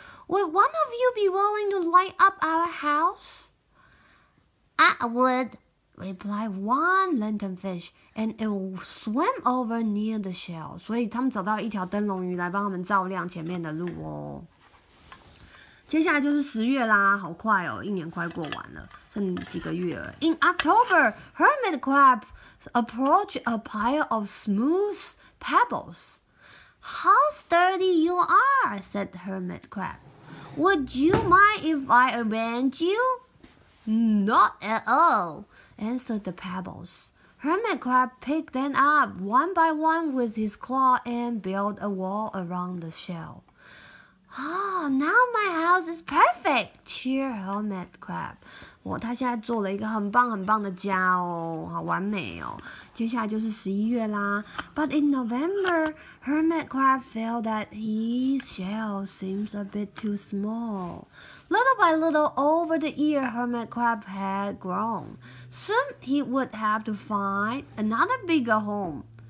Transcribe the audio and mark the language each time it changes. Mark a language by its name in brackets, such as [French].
[English] Would one of you be willing to light up our house? I would. Replied one lanternfish, and it swam over near the shell. [Chinese] 所以他们找到一条灯笼鱼来帮他们照亮前面的路哦。接下来就是十月啦，好快哦，一年快过完了，剩几个月了。 [English] In October, Hermit Crab approached a pile of smooth pebbles. How sturdy you are, said Hermit Crab. Would you mind if I arrange you? Not at all. Answered the pebbles. Hermit Crab picked them up one by one with his claw and built a wall around the shell. Ah,、oh, now my house is perfect. Cheer Hermit Crab. [Chinese] 哇，他现在做了一个很棒很棒的家哦，好完美哦。接下来就是十一月啦。 [English] But in November, Hermit Crab felt that his shell seems a bit too small. Little by little, over the year, Hermit Crab had grown. Soon, he would have to find another bigger home.